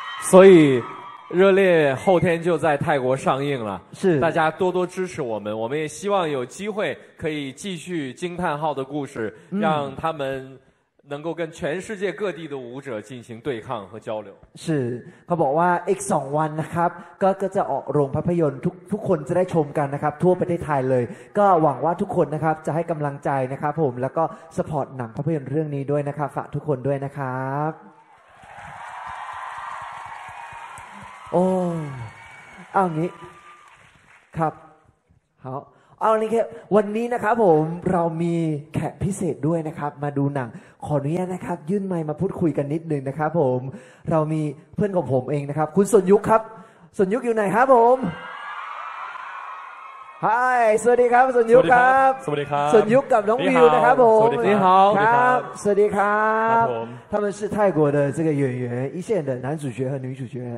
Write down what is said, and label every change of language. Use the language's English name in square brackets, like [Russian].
[Thai] สุด [Chinese] 热烈后天就在泰国上映了是大家多多支持我们我们也希望有机会可以继续惊叹号的故事让他们能够跟全世界各地的舞者进行对抗和交流是 [Thai] เขาบอกว่าอีก2วันนะครับก็จะออกโรงภาพยนตร์ทุกคนจะได้ชมกันนะครับทั่วประเทศไทยเลยก็หวังว่าทุกคนนะครับจะให้กำลังใจนะครับผมแล้วก็สปอร์ตหนังภาพยนตร์เรื่องนี้ด้วยนะครับฝากทุกคนด้วยนะครับ โอ้เอางี้ครับเอานี่ครับวันนี้นะครับผมเรามีแขกพิเศษด้วยนะครับมาดูหนังขออนุญาตนะครับยื่นไมค์มาพูดคุยกันนิดนึงนะครับผมเรามีเพื่อนของผมเองนะครับคุณสนยุคครับสนยุคอยู่ไหนครับผมไฮสวัสดีครับสนยุคครับ สวัสดีครับ สนยุคกับน้องวิวนะครับผม สวัสดีครับ ครับสวัสดีครับ ครับ ผม เขาเป็น [Chinese] 泰国的这个演员一线的男主角和女主角